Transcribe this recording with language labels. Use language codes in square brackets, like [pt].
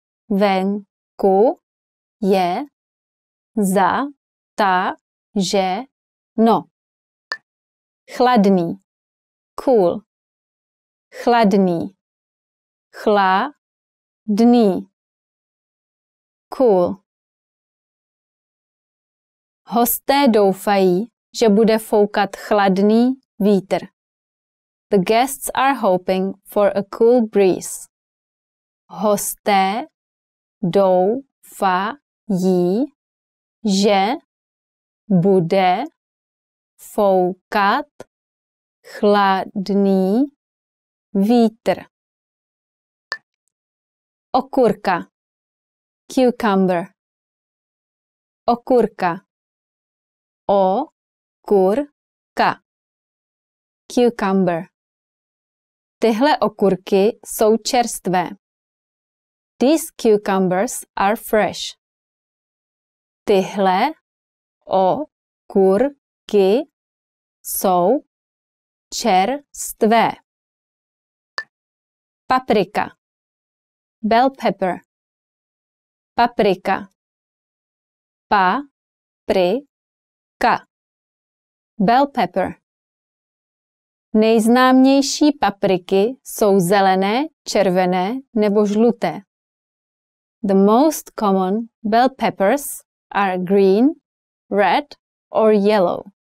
[cs] Venku je zataženo. Chladný. [en] Cool. [cs] Chladný. Chladný. [en] Cool. [cs] Hosté doufají, že bude foukat chladný vítr. [en] The guests are hoping for a cool breeze. [cs] Hosté doufají, že bude foukat chladný vítr. Okurka. [en] Cucumber. [cs] Okurka. Okurka. [en] Cucumber. [cs] Tyhle okurky jsou čerstvé. [en] These cucumbers are fresh. [cs] Tyhle okurky jsou čerstvé. Paprika. [en] Bell pepper. [cs] Paprika. Paprika. [en] Bell pepper. [cs] Nejznámější papriky jsou zelené, červené nebo žluté. [en] The most common bell peppers are green, red or yellow.